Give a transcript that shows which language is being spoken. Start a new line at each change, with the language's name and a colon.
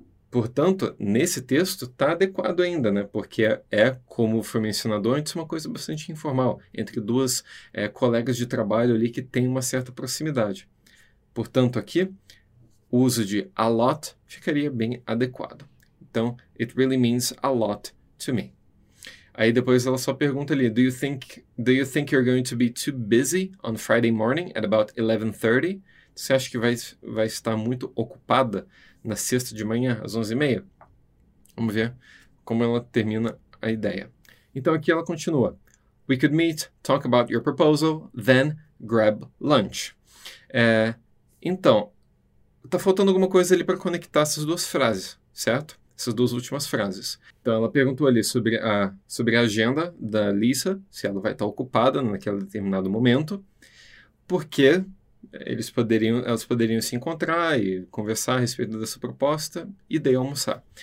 Portuguese: Portanto, nesse texto está adequado ainda, né? Porque como foi mencionado antes, uma coisa bastante informal, entre duas colegas de trabalho ali que têm uma certa proximidade. Portanto, aqui, o uso de a lot ficaria bem adequado. Então,
English: it really means a lot to me.
Portuguese: Aí depois ela só pergunta ali,
English: do you think you're going to be too busy on Friday morning at about 11:30?
Portuguese: Você acha que vai estar muito ocupada na sexta de manhã, às 11:30? Vamos ver como ela termina a ideia. Então aqui ela continua.
English: We could meet, talk about your proposal, then grab lunch.
Portuguese: Então, está faltando alguma coisa ali para conectar essas duas frases, certo? Essas duas últimas frases. Então ela perguntou ali sobre a agenda da Lisa, se ela vai estar ocupada naquele determinado momento, porque elas poderiam se encontrar e conversar a respeito dessa proposta e daí almoçar.